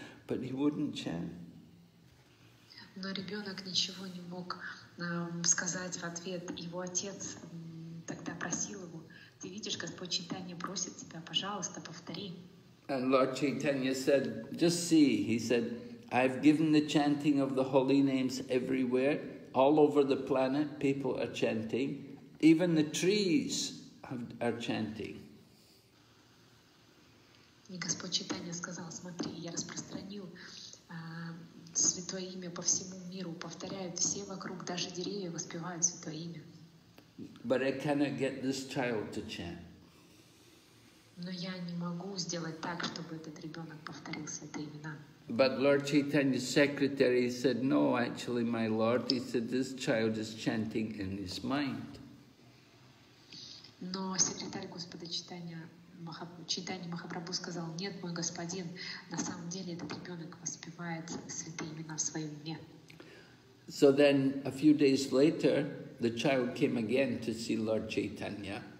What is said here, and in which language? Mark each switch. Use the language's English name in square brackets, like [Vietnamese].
[English] But he wouldn't chant. [Russian] Но ребенок ничего не мог сказать в ответ. Его отец тогда просил его, ты видишь, Господь Чайтанья просит тебя, пожалуйста, повтори. [English] And Lord Chaitanya said, just see, he said, I've given the chanting of the holy names everywhere, all over the planet, people are chanting. Even the trees are chanting. [Russian] И Господь Чайтанья сказал, смотри, я распространил Святое Имя по всему миру, повторяют все вокруг, даже деревья воспевают Святое Имя. [English] But I cannot get this child to chant. [Russian] Но я не могу сделать так, чтобы этот ребенок повторил Святые Имена. [English] But Lord Chaitanya's secretary said, no, actually, my Lord, he said, this child is chanting in his mind. [Russian] Но секретарь Господа Чайтанья Махапрабху сказал, нет, мой господин, на самом деле этот ребенок воспевает святые имена в своем уме. [English] So then, a few days later, the child came again to see Lord Chaitanya.